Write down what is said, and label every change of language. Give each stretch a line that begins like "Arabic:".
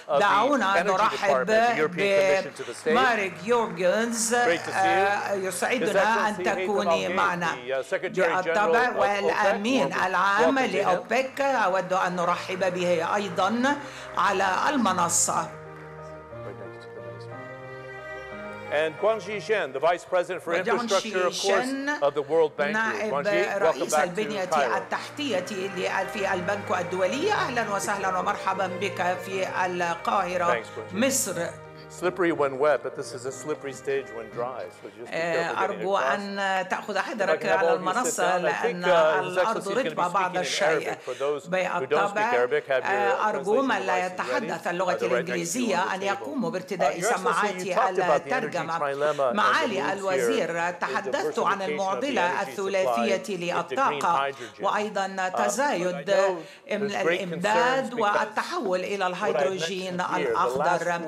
Arabic: دعونا نرحب بمارك يورجنز، يسعدنا أن تكوني معنا. بالطبع والأمين العام لأوبك، أود أن نرحب به أيضا على المنصة.
English: Guangxi Shen, the Vice President for Infrastructure, of course, of the World Bank.
Arabic: نائب رئيس البنية التحتية في البنك الدولي. أهلا وسهلا ومرحبا بك في القاهرة مصر.
English: Slippery when wet, but this is a slippery stage when dry. So just be
Arabic: أرجو أن تأخذ حذرك على المنصة لأن الأرض رطبة بعض الشيء. بالطبع أرجو من لا يتحدث اللغة الإنجليزية أن يقوم بارتداء سماعات الترجمة. معالي الوزير، تحدثت عن المعضلة الثلاثية للطاقة وأيضا تزايد الإمداد والتحول إلى الهيدروجين الأخضر.